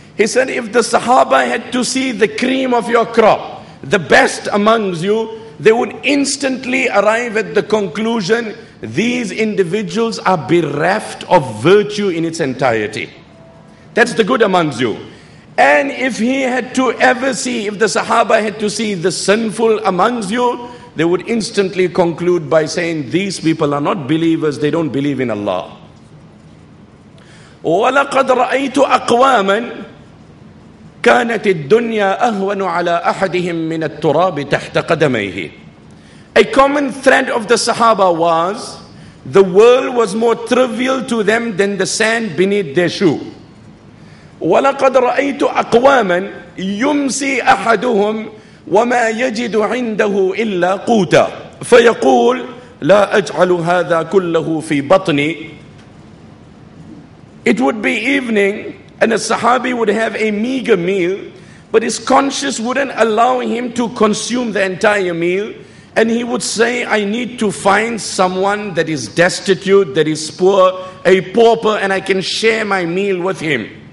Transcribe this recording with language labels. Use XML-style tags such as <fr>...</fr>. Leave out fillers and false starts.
<en>He said, "If the sahaba had to see the cream of your crop, the best amongst you, they would instantly arrive at the conclusion, these individuals are bereft of virtue in its entirety. That's the good amongst you. And if he had to ever see, if the sahaba had to see the sinful amongst you, they would instantly conclude by saying, these people are not believers, they don't believe in Allah."</en> <ar>"وَلَقَدْ رَأَيْتُ أَقْوَامًا كانت الدنيا أهون على أحدهم من التراب تحت قدميه."</ar> <en>A common thread of the Sahaba was, the world was more trivial to them than the sand beneath their shoe.</en> <ar>"ولقد رأيت أقواما يمسي أحدهم وما يجد عنده إلا قوتا فيقول لا أجعل هذا كله في بطني."</ar> <en>It would be evening, and a Sahabi would have a meager meal, but his conscience wouldn't allow him to consume the entire meal. And he would say, "I need to find someone that is destitute, that is poor, a pauper, and I can share my meal with him."</en>